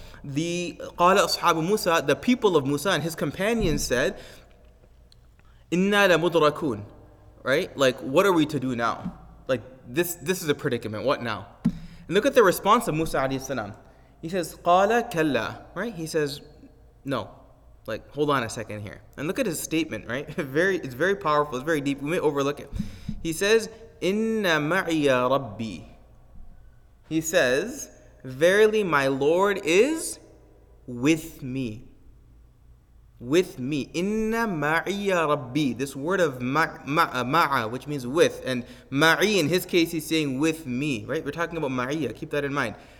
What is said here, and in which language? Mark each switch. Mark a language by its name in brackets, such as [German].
[English] The [Arabic] قال أصحاب موسى, [English] the people of Musa and his companions said, [Arabic] إِنَّا لَمُدْرَكُونَ. [English] Right? Like, what are we to do now? Like, this is a predicament. What now? And look at the response of Musa alayhi salam. He says, [Arabic] قَالَ كَلَّا. [English] Right? He says, no. Like, hold on a second here. And look at his statement, right? It's very powerful. It's very deep. We may overlook it. He says, [Arabic] إِنَّ مَعِيَ رَبِّي. [English] He says, verily, my Lord is with me. With me. [Arabic] Inna ma'iya rabbi. [English] This word of ma'a, which means with. And ma'i, in his case, he's saying with me. Right? We're talking about ma'iya. Keep that in mind.